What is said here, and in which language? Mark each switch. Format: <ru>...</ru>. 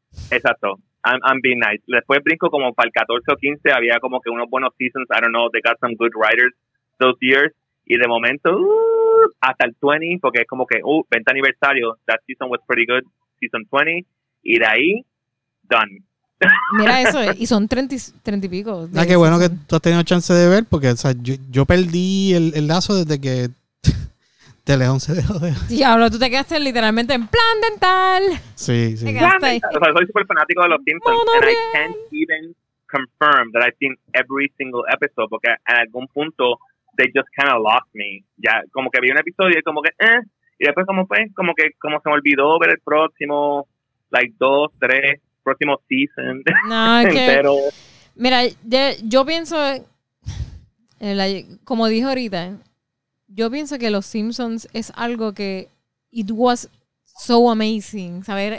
<es>Exacto.</es> <en>I'm being nice.</en> <es>Después brinco como para el 14 o 15, había como que unos buenos seasons,</es> <en>I don't know, they got some good writers those years,</en> <es>y de momento, hasta el 20, porque es como que, 20 aniversario,</es> <en>that season was pretty good, season 20,</en> <es>y de ahí, done. Mira eso, y son 30 y pico. Ah, qué bueno que tú has tenido chance de ver, porque, o sea, yo perdí el lazo desde que Tele 11 dejó de... Diablo, tú te quedaste literalmente en Plan Dental. Sí, sí. Plan Dental. O sea, soy súper fanático de los Simpsons.</es> <en>No, no, and I can't even confirm that I've seen every single episode,</en> <es>porque en algún punto</es> <en>they just kind of lost me.</en> <es>Ya, como que vi un episodio y como que, y después como fue, como que como se me olvidó ver el próximo, like, dos, tres... próximo season. No, es que, mira, yo pienso, como dije ahorita, yo pienso que los Simpsons es algo que</es> <en>it was so amazing,</en> <es>¿sabes?</es>